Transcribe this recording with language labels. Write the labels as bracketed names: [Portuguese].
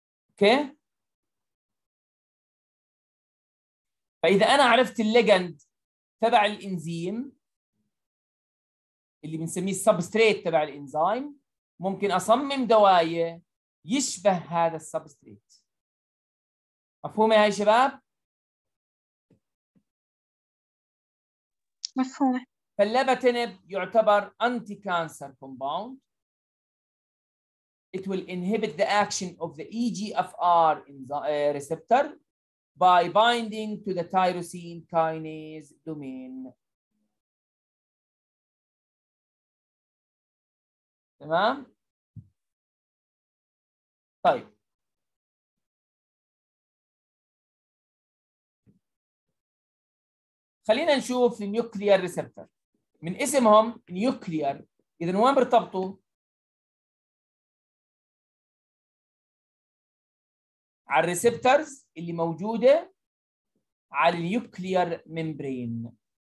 [Arabic] اوكي؟ فإذا أنا عرفت الليجند تبع الإنزيم اللي بنسميه السبستريت تبع الانزيم ممكن اصمم دوايا يشبه هذا السبستريت. مفهوم يا شباب؟ مفهوم. فاللابتينب يعتبر انتي كانسر كومباوند. [English] It will inhibit the action of the EGFR receptor by binding to the tyrosine kinase domain. [Arabic] تمام؟ طيب خلينا نشوف النيوكليار ريسبتر. من اسمهم نيوكليار، اذا وين بيرتبطوا؟ على الريسبترز اللي موجوده على النيوكليار ميمبرين.